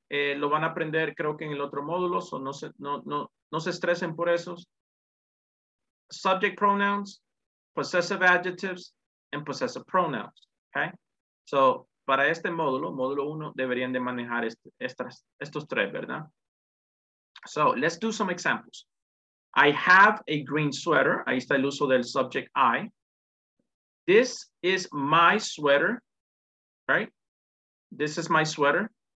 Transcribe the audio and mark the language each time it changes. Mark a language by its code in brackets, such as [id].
[es] Lo van a aprender creo que en el otro módulo, so no se estresen por esos. [en] Subject pronouns, possessive adjectives, and possessive pronouns, okay? [es] So para este módulo, módulo uno, deberían de manejar estos tres, ¿verdad? [en] So let's do some examples. I have a green sweater. [es] Ahí está el uso del [en] subject I. This is my sweater, right? This is my sweater.